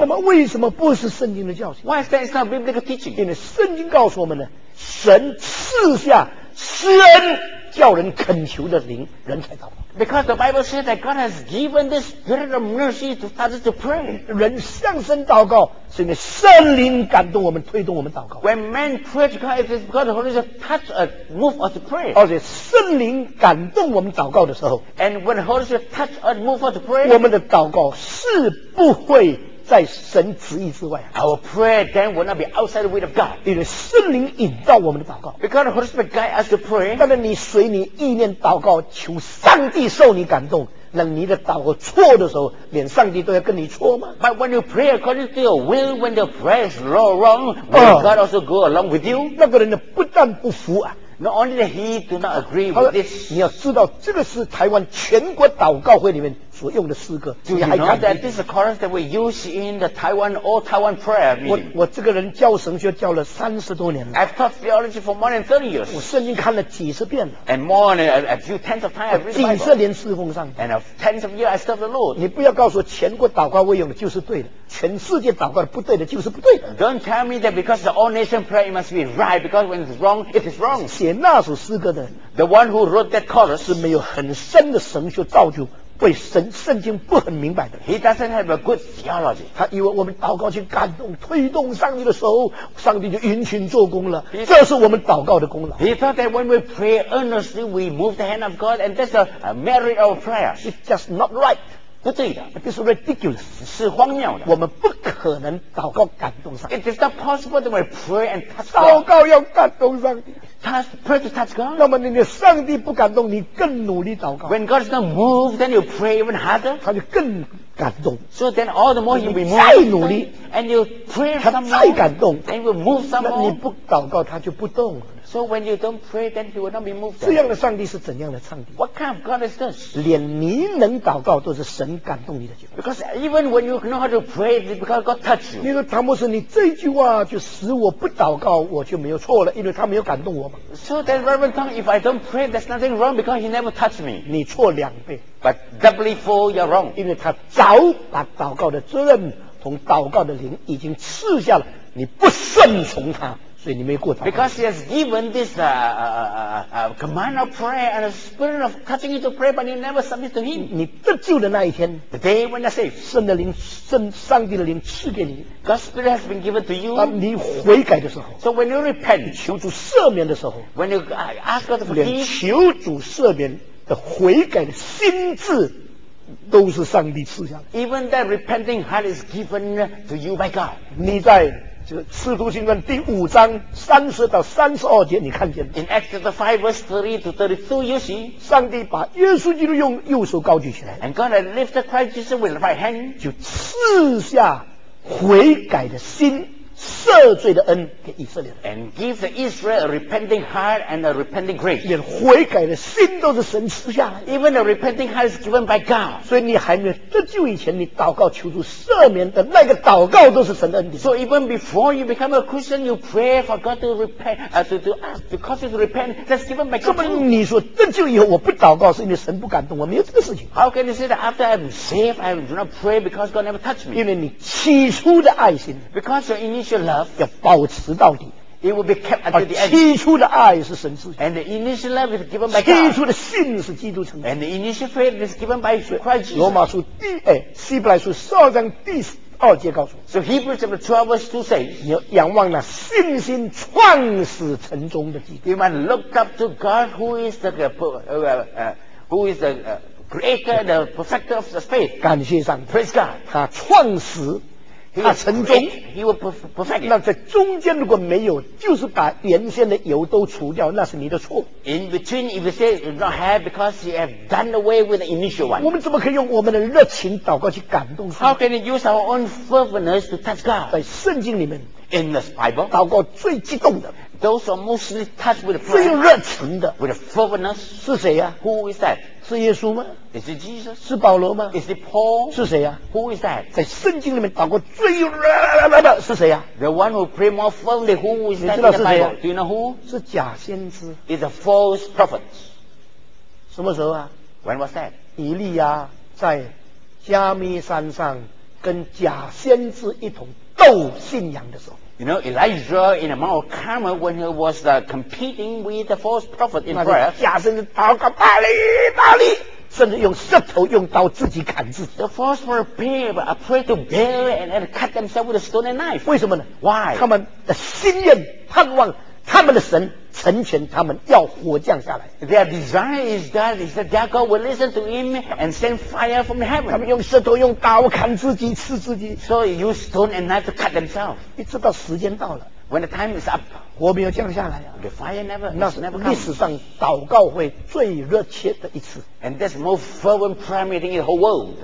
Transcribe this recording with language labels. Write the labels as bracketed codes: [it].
[zh] 那么为什么不是圣经的教训 [en] ？Why is that? It's not biblical teaching。 [zh] 因为圣经告诉我们呢，神赐下施恩叫人恳求的灵，人才祷告。 [en] Because the Bible says that God has given this spirit of mercy to others to pray. [zh] 人向神祷告，是因为圣灵感动我们，推动我们祷告。 [en] When man prays to God, it is because the Holy Spirit touch us, move us to pray. [zh] 而且圣灵感动我们祷告的时候 [en] ，And when the Holy Spirit touch us, move us to pray, [zh] 我们的祷告是不会在神旨意之外。 [en] Our prayer then will not be outside the will of God. [zh] 因为圣灵引导我们的祷告。 [en] Because the Holy Spirit guide us to pray. [zh] 但是你随你意念祷告，求上帝受你感动，那你的祷告错的时候，连上帝都要跟你错吗 [en] ？But when you pray according to your will, when the prayer is wrong, will God also go along with you? [zh] 那个人不但不服啊。 [en] Not only that he do not agree with this. [zh] 你要知道，这个是台湾全国祷告会里面所用的诗歌。 [en] Do you know that this is a chorus that we use in the Taiwan all Taiwan prayer meeting? [zh] 我这个人教神学教了30多年了。 [en] I've taught theology for more than 30 years. [zh] 我圣经看了几十遍了。 [en] And more than a few tens of times. [zh] 几十年侍奉上。 [en] And tens of years I serve the Lord. [zh] 你不要告诉我全国祷告会用的就是对的，全世界祷告的不对的就是不对的。 [en] Don't tell me that because the all nation prayer must be right because when it's wrong it is wrong. [zh] 写那首诗歌的人 [en] ，The one who wrote that chorus [zh] 是没有很深的神学造就。为神圣经不很明白的 [en] ，He doesn't have a good theology。 [zh] 他以为我们祷告去感动、推动上帝的时候，上帝就殷勤做工了。这是我们祷告的功劳。 [en] He thought that when we pray earnestly, we move the hand of God, and that's a merit of prayer. It's just not right。 [zh] 不对的。 [en] This is ridiculous， [zh] 是荒谬的。我们不可能祷告感动上帝。 [en] It is not possible that we pray and touch God。 [zh] 祷告要感动上帝。 [en] Pray to touch God。 [zh] 那么你的上帝不感动，你更努力祷告。 [en] When God is not moved, then you pray even harder。 [zh] 他就更感动。 [en] So then all the more you be moved。 [zh] 再努力 [en] ，and you pray some more。 [zh] 他再感动 [en] ，and you move some more。 [zh] 那你不祷告，他就不动。 [en] So when you don't pray, then he will not be moved. [zh] 这样的上帝是怎样的上帝 [en] ？What kind of God is this? [zh] 连你能祷告都是神感动你的救恩。 [en] Because even when you know how to pray, it's because God touch you. [zh] 你说唐牧师，你这句话就使我不祷告，我就没有错了，因为他没有感动我嘛。 [en] So then, Reverend Tom, if I don't pray, there's nothing wrong because he never touched me. [zh] 你错两倍。 [en] But doubly for you're wrong. [zh] 因为他早把祷告的责任同祷告的灵已经赐下了，你不顺从他。所以你没过祷告。 [en] Because he has given this command of prayer and a spirit of touching you to pray, but you never submit to him. [zh] 你得救的那一天 [en] ，the day when you're saved, [zh] 圣的灵、圣上帝的灵赐给你 [en] ，God's spirit has been given to you. [zh] 当你悔改的时候 [en] ，so when you repent, [zh] 求主赦免的时候 [en] ，when you ask God to forgive, [zh] 求主赦免的悔改的心智。都是上帝赐下的。 [en] Even that repenting heart is given to you by God. [zh] 你在这个使徒行传第五章三十到三十二节，你看见 [en] ？In Acts chapter five, verse 33 to 32, you see, [zh] 上帝把耶稣基督用右手高举起来 [en] ，and God lifted Christ Jesus with the right hand， [zh] 就赐下悔改的心。赦罪的恩给以色列人 [en] ，and give the Israel a repenting heart and a repenting grace。 [zh] 连悔改的心都是神赐下来 [en] ，even a repenting heart is given by God。 [zh] 所以你还没有得救以前，你祷告求主赦免的那个祷告都是神的恩典。 [en] So even before you become a Christian, you pray for God to repent, to cause you to repent. That's given by God. [zh] 这么你说得救以后我不祷告，是因为神不感动我，没有这个事情。 [en] How can you say that after I'm saved, I do not pray because God never touched me? [zh] 因为你起初的爱心 [en] ，because your initial love [zh] 要保持到底 [en] ，it will be kept until the end。 [zh] 起初的爱是神赐 [en] ，and the initial love is given by God。 [zh] 起初的信是基督成的 [en] ，and the initial faith is given by Christ Jesus。 [zh] 罗马书第希伯来书十二章第二节告诉我 [en] ，so Hebrews chapter 12 verse 2 says， [zh] 你要仰望那信心创始成终的基督。 [en] You must look up to God who is the creator, the perfecter of the faith。 [zh] 感谢上帝 [en] ，praise God， [zh] 他创始。他成终 [en] he will perfect it. [zh] 那在中间如果没有就是把原先的油都除掉那是你的错 [en] in between if you say you don't have because you have done away with the initial one [zh] 我们怎么可以用我们的热情祷告去感动 [en] how can you use our own fervorness to touch God [zh] 在圣经里面 [en] in the Bible [zh] 祷告最激动的 [en] those are mostly touched with the prayer [zh] 最热情的 [en] with the fervorness [zh] 是谁啊 [en] who is that [zh] 是耶稣吗 [en] ？Is it Jesus？ [zh] 是保罗吗 [en] ？Is it Paul？ [zh] 是谁呀、 [en] 啊、？Who is that？ [zh] 在圣经里面祷告最热的是谁呀、啊、 [en] ？The one who pray more fervently, who is that？ [zh] 你知道是谁、 [en] 啊、？Do you know who？ [zh] 是假先知。 [en] Is a false prophet。 [zh] 什么时候啊 [en] ？When was that？ [zh] 以利亚在加密山上跟假先知一同斗信仰的时候。 [en] You know, Elijah in the Mount of Carmel when he was competing with the false prophet in prayer. [zh] 假先知祷告巴利巴利，甚至用舌头用刀自己砍自己。 [en] The false prophet prayed to Baal and cut themselves with a stone and knife. [zh] 为什么呢 [en] ？Why？ [zh] 他们的心愿、盼望，他们的神成全他们要火降下来。 [en] Their desire is that their God will listen to him and send fire from heaven. [zh] 他们用舌头用刀砍自己，刺自己。 [en] So use stone and knife to cut themselves. [zh] 一直到时间到了。 [en] When the time is up, [zh] 火没有降下来啊。 [en] The fire never. [zh] 那是历史上祷告会最热切的一次。 [en] And that's the most fervent prayer meeting in the whole world.